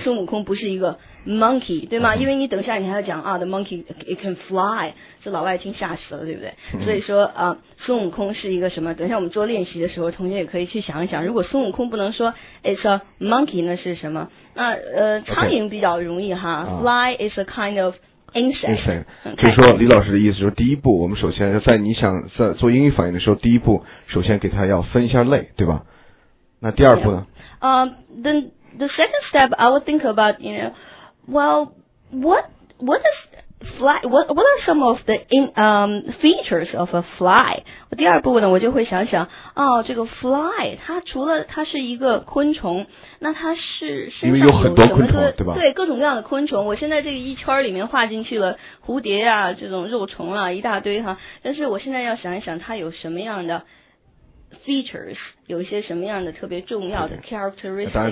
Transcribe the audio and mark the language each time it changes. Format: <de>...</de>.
<zh>孙悟空不是一个 monkey, 对吗？因为你等一下你还要讲啊</zh> <en>the monkey it can fly,</en> <zh>这老外听吓死了对不对，所以说啊孙悟空是一个什么，等一下我们做练习的时候同学也可以去想一想，如果孙悟空不能说</zh> <en>it's a monkey,</en> <zh>那是什么，那苍蝇比较容易哈</zh> <en>okay, fly is a kind of insect,</en> <zh>就是说李老师的意思就是第一步我们首先在你想在做英语反应的时候，第一步首先给他要分一下类对吧，那第二步呢</zh> <en>the second step I would think about, you know, well, what is fly, what are some of the features of a fly?</en> <zh>第二步呢我就会想想哦这个 fly, 它除了它是一个昆虫，那它是因为有很多昆虫对吧，对，各种各样的昆虫，我现在这个一圈里面画进去了蝴蝶啊这种肉虫啊一大堆哈，但是我现在要想一想它有什么样的features, 有一些什么样的特别重要的 characteristics,</zh>